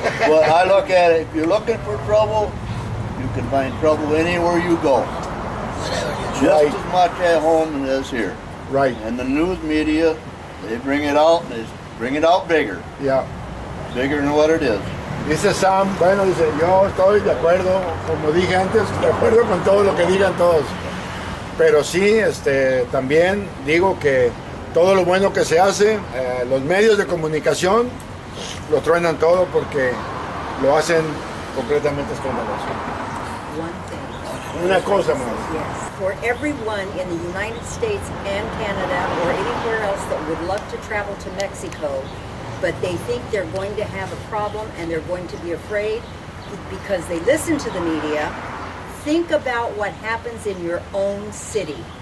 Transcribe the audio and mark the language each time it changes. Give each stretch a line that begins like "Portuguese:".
English: Well, I look at it, if you're looking for trouble, you can find trouble anywhere you go. Just right. As much at home as here. Right. And the news media, they bring it out, and they bring it out bigger. Yeah. Bigger than what it is.
Spanish: Dice Sam, bueno, dice, yo estoy de acuerdo, como dije antes, de acuerdo con todo lo que digan todos. Pero sí, también digo que todo lo bueno que se hace, los medios de comunicación lo truenan todo porque lo hacen completamente escandaloso. Una cosa más.
English: For everyone in the United States and Canada or anywhere else that would love to travel to Mexico, but they think they're going to have a problem and they're going to be afraid because they listen to the media, think about what happens in your own city.